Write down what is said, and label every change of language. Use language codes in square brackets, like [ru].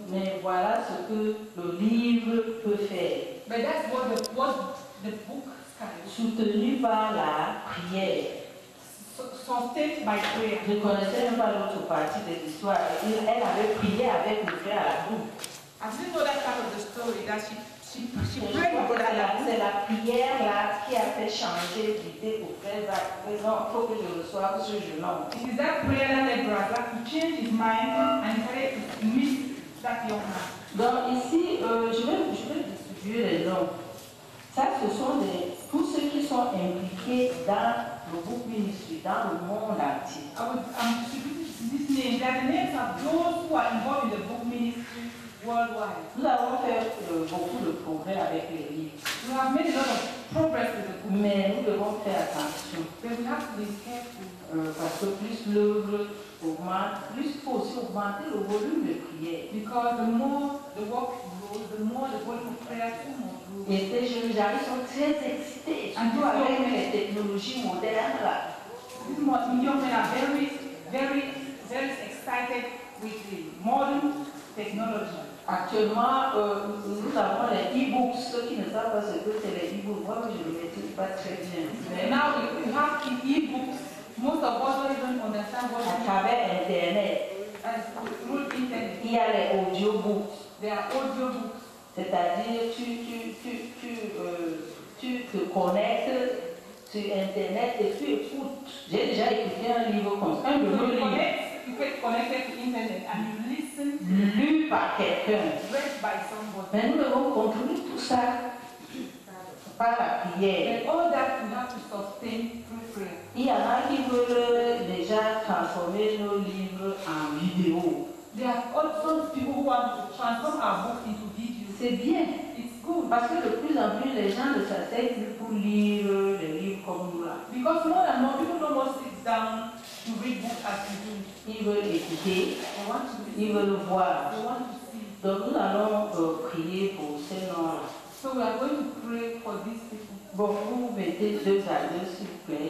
[fr] Mais voilà ce que le livre peut faire. [en] But that's what the book can do. [fr] Soutenu par la prière. [en] Sustained by prayer. [fr] Je ne connaissais même pas l'autre partie de l'histoire. Elle avait prié avec le frère à la boue. [en] I didn't know that part of the story that she prayed. [fr] C'est la prière là qui a fait changer l'idée pour faire ça. Mais non, il faut que je reçoive ce jeune homme. [en] It is that prayer that the brother to change his mind and try to meet that young man. [fr] Donc ici, je vais distribuer les noms. Ça, ce sont tous ceux qui sont impliqués dans le book ministry, dans le monde entier. [en] I would distribute this name. There are the names of those who are involved in the book ministry. Worldwide. [fr] Nous avons fait beaucoup de progrès avec les livres. [en] We have made a lot of progress with the book. [fr] Mais nous devons faire attention. [en] But we have to be careful. [fr] Parce que plus l'œuvre augmente, plus il faut aussi augmenter le volume de prière. [en] Because the more the work grows, the more the volume of prayer grows. [fr] Et ces jeunes gens sont très excités. And tout avec les technologies modernes là. [en] These young men are very, very, very excited with the modern. Technology. [fr] Actuellement, nous avons les e-books. Ceux qui ne savent pas ce que c'est les e-books, moi je ne maîtrise pas très bien. [en] Mais now we have the e-books. Most of us don't even understand what [fr] À travers Internet. [en] Through Internet. [fr] Il y a les audiobooks. [en] There are audiobooks. [fr] C'est-à-dire tu te connectes sur Internet et tu écoutes. J'ai déjà écouté un livre comme ça. Tu peux te connecter sur Internet. Lu par quelqu'un. [en] Read by somebody. [fr] Mais nous devons contrôler tout ça. par la prière. [en] All that we have to sustain through prayer. [fr] Il y en a qui veulent déjà transformer nos livres en vidéo. [en] There are also people who want to transform our books into videos. [fr] C'est bien. [en] It's good. [fr] Parce que de plus en plus, les gens ne s'asseyent plus pour lire des livres comme nous là. [en] Because more and more people don't want to sit down to read books as we do. [fr] Ils veulent écouter. [en] They want to listen. [fr] Ils veulent voir. [en] They want to see. [fr] Donc nous allons prier pour ces noms là. [en] So we are going to pray for these people. [fr] Bon, vous mettez deux à deux, s'il vous plaît.